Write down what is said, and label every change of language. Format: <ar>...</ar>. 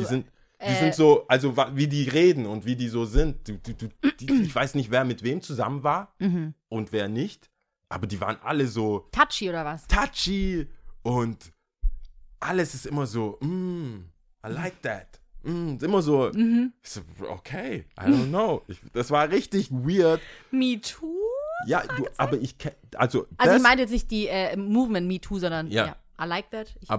<de>Die sind so, also wie die reden und wie die so sind. Ich weiß nicht, wer mit wem zusammen war und wer nicht, aber die waren alle so... Touchy oder was? Touchy und alles ist immer so,</de> <en>I like that.</en> <de>Immer so, ich so, okay,</de> <en>I don't know.</en> <de>Das war richtig weird.</de> <en>Me too?</en> <de>Ja, aber ich kenne, also... Also das, ich meinte jetzt nicht die Movement Me too, sondern</de> <en>I like that.</en>